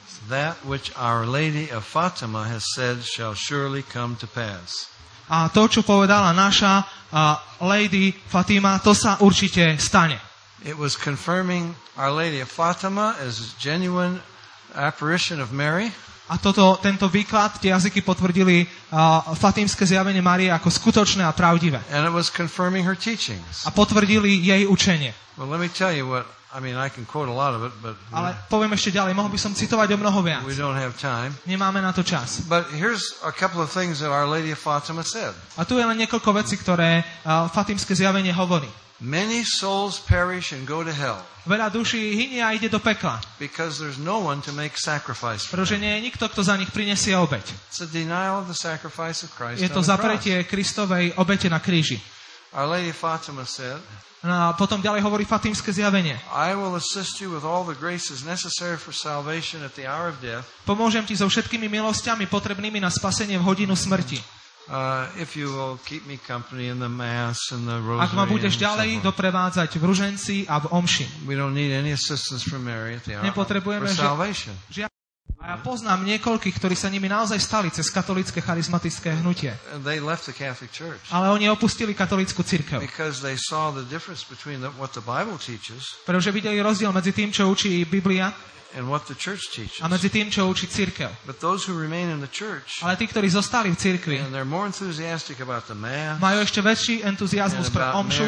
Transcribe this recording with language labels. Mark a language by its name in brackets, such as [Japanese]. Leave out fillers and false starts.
[English] That which Our Lady of Fatima has said shall surely come to pass. [Slovak] A to, čo povedala naša Lady Fatima, to sa určite stane. [English] It was confirming Our Lady of Fatima as a genuine apparition of Mary. [Slovak] A toto, tento výklad, tie jazyky potvrdili fatimské zjavenie Márie ako skutočné a pravdivé. [English] And it was confirming her teachings. [Slovak] A potvrdili jej učenie. [English] Well, let me tell you what, I mean, I can quote a lot of it, but... [Slovak] Ale poviem ešte ďalej, mohol by som citovať o mnoho viac. [English] We don't have time. [Slovak] Nemáme na to čas. [English] But here's a couple of things that Our Lady of Fatima said. [Slovak] A tu je len niekoľko vecí, ktoré fatimské zjavenie hovorí. [English] Many souls perish and go to hell. [Slovak] Veľa duší hynie a ide do pekla. [English] Because there's no one to make sacrifice for. [Slovak] Pretože nie je nikto, kto za nich prinesie obeť. [English] It's a denial of the sacrifice of Christ. [Slovak] Je to zapretie Kristovej obete na kríži. [English] Our Lady Fatima said. [Slovak] A potom ďalej hovorí fatimské zjavenie. [English] I will assist you with all the graces necessary for salvation at the hour of death. [Slovak] Pomôžem ti so všetkými milosťami potrebnými na spasenie v hodinu smrti. [English] If you will keep me company in the mass and the rosary. [Slovak] Ak ma budeš ďalej doprevádzať v ruženci a v omši. [English] We don't need any assistance from Mary at the hour. [Slovak] Nepotrebujeme [English] salvation. [Slovak] A ja poznám niekoľkých, ktorí sa nimi naozaj stali cez katolické charizmatické hnutie. [English] They left the Catholic Church. [Slovak] Ale oni opustili katolickú cirkev. [English] Because they saw the difference between what the Bible teaches. [Slovak] Pretože videli rozdiel medzi tým, čo učí Biblia. [English] And what the church teaches. [Slovak] A medzi tým, čo učí cirkev. [English] But those who remain in the church. [Slovak] Ale tí, ktorí zostali v cirkvi. [English] And they're more enthusiastic about the mass. [Slovak] Majú ešte väčší entuziasmus pre omšu